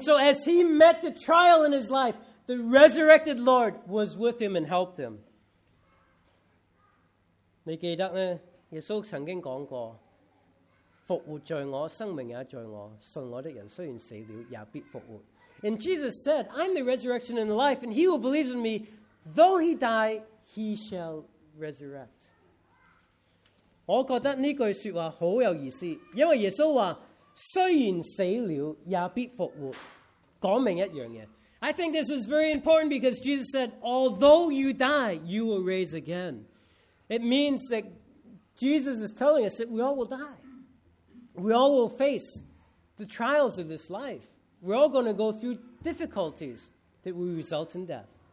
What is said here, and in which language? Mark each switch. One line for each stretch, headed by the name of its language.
English: so as he met the trial in his life, the resurrected Lord was with him and helped him.
Chinese: 你记得咧，耶稣曾经讲过。復活在我，生命也在我，信我的人雖然死了，也必復活。
English: And Jesus said, I'm the resurrection and the life, and he who believes in me, though he die, he shall resurrect.
Chinese: 我觉得这句说话很有意思，因为耶稣说，虽然死了，也必復活，讲明一样嘢。
English: I think this is very important because Jesus said, although you die, you will raise again. It means that Jesus is telling us that we all will die. We all will face the trials of this life. We're all going to go through difficulties that will result in death.